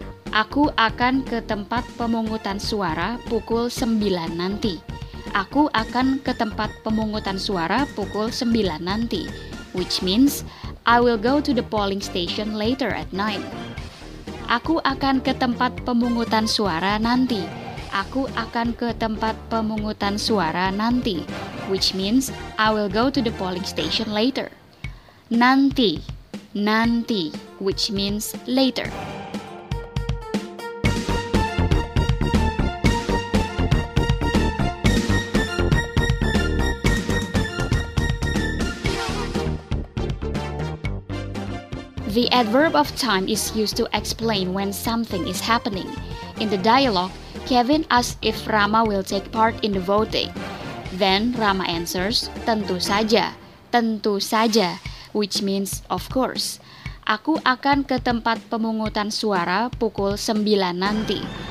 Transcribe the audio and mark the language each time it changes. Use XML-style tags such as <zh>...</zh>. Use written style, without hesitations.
<id>Aku akan ke tempat pemungutan suara pukul 9 nanti. Aku akan ke tempat pemungutan suara pukul 9 nanti.</id> <en>Which means, I will go to the polling station later at 9.</en> <id>Aku akan ke tempat pemungutan suara nanti. Aku akan ke tempat pemungutan suara nanti.</id> <en>Which means, I will go to the polling station later. Nanti, nanti, which means later. The adverb of time is used to explain when something is happening. In the dialogue, Kevin asks if Rama will take part in the voting. Then Rama answers,</en> <id>tentu saja,</id> <en>which means of course.</en> <id>Aku akan ke tempat pemungutan suara pukul 9 nanti.</id>